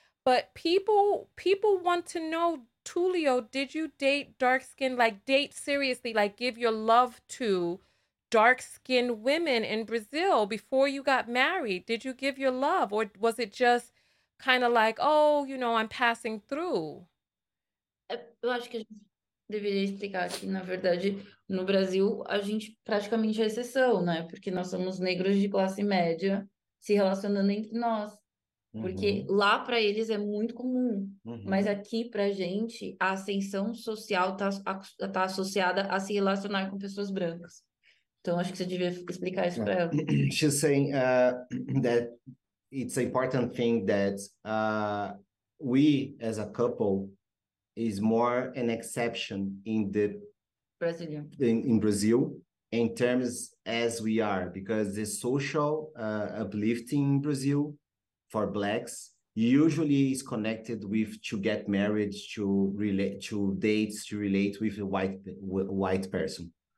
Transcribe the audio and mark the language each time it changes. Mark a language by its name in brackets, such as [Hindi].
[English] But people want to know, Tulio, did you date dark skin, like date seriously, like give your love to dark skinned women in Brazil before you got married? Did you give your love, or was it just kind of like, oh, you know, I'm passing through? [Portuguese] Eu acho que a gente deveria explicar que, na verdade, no Brasil, a gente praticamente é exceção, né? Porque nós somos negros de classe média se relacionando entre nós. Porque lá para eles é muito comum, mas aqui para gente a ascensão social tá associada a se relacionar com pessoas brancas. Então acho que você devia explicar isso para ela. [English] She's saying that it's an important thing that we as a couple is more an exception in the Brazilian in Brazil in terms as we are, because the social uplifting in Brazil for blacks usually is connected with to get married, to relate, to dates, to relate with a white person.